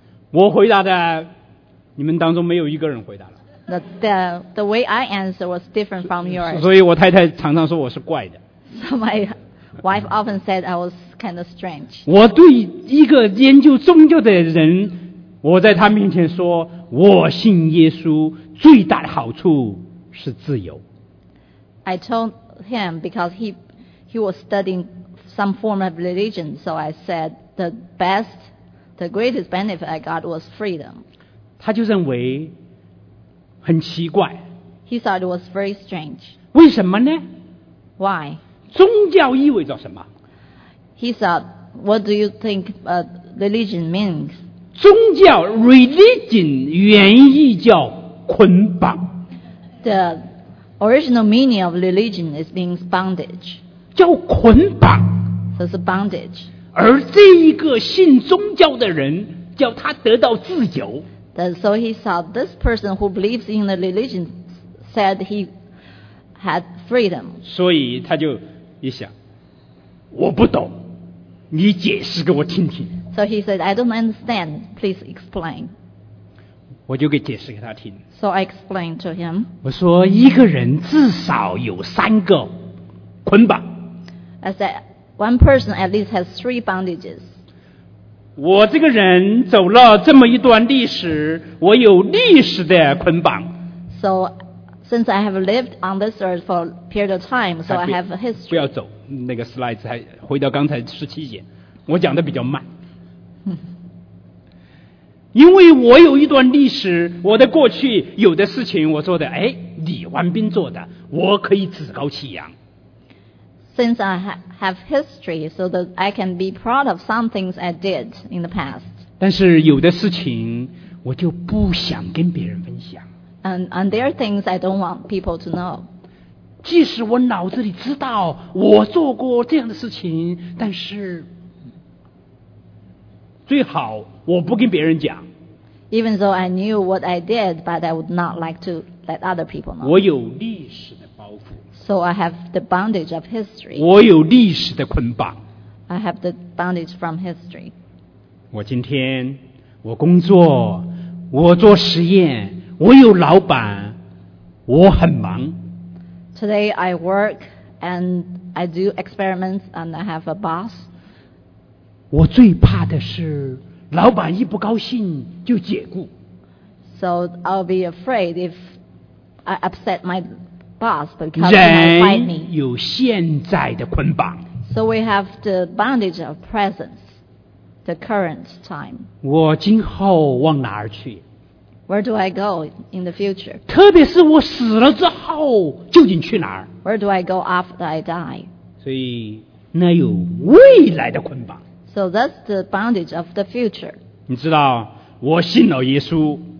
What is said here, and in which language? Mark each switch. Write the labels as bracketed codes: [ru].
[zh] 我回答的，你们当中没有一个人回答了。 [en] The way I answer was different from yours. [zh] 所以我太太常常说我是怪的。 [en] So my wife often said I was kind of strange. [zh] 我对一个研究宗教的人，我在他面前说我信耶稣最大的好处。是自由。 [en] I told him because he was studying some form of religion, so I said the best, the greatest benefit I got was freedom. [zh] 他就认为很奇怪。 [en] He thought it was very strange. [zh] 为什么呢 [en] ？Why? [zh] 宗教意味着什么 [en] ？He thought, what do you think religion means? [zh] 宗教 religion 原意叫捆绑。 [en] The original meaning of religion is being bondage. [zh] 叫捆绑。 [en] So it's a bondage. [zh] 而这一个信宗教的人叫他得到自由。 [en] So he thought this person who believes in the religion said he had freedom. [zh] 所以他就一想，我不懂，你解释给我听听。 [en] So he said, I don't understand. Please explain. [zh] 我就给解释给他听。 [en] So I explained to him. [zh] 我说一个人至少有三个捆绑。 [en] I said one person at least has three bondages. [zh] 我这个人走了这么一段历史，我有历史的捆绑。 [en] So since I have lived on this earth for a period of time, so I have a history. [zh] 不要走，那个 slides 还回到刚才十七节，我讲的比较慢。因为我有一段历史，我的过去有的事情我做的，哎，李万斌做的，我可以趾高气扬。 [en] Since I have history, so that I can be proud of some things I did in the past. [zh] 但是有的事情我就不想跟别人分享。 [en] And there are things I don't want people to know. [zh] 即使我脑子里知道我做过这样的事情，但是。最好我不跟别人讲。 [en] Even though I knew what I did, but I would not like to let other people know. [zh] 我有历史的包袱。 [en] So I have the bondage of history. [zh] 我有历史的捆绑。 [en] I have the bondage from history. [zh] 我今天，我工作，我做实验，我有老板，我很忙。 [en] Today I work and I do experiments and I have a boss. [zh] 我最怕的是老板一不高兴就解雇。 [en] So I'll be afraid if I upset my boss because he might fight me. 人 [zh] 有现在的捆绑。 [en] So we have the bondage of present, the current time. [zh] 我今后往哪儿去 [en] ？Where do I go in the future? [zh] 特别是我死了之后，究竟去哪儿 [en] ？Where do I go after I die? [zh] 所以那有未来的捆绑。 So that's the bondage of the future. 你知道，我信了耶稣。